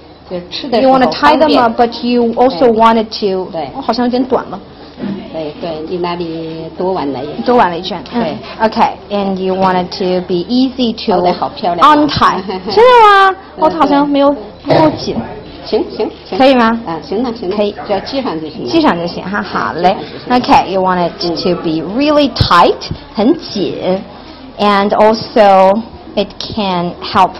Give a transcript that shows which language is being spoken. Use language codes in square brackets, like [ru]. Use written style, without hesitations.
[en] You want to tie them up, but you also wanted to. [zh] 对，好像有点短了。对对，你那里多玩了一圈。多玩了一圈。对。 [en] Okay, and you wanted to be easy to. [zh] 好的，好漂亮。 [en] Untie. [zh] 真的吗？我好像没有紧。行，可以吗？行了行了。可以，只要系上就行。系上就行哈，好嘞。 [en] Okay, you wanted to be really tight, [zh] 很紧 [en] ，and also it can help.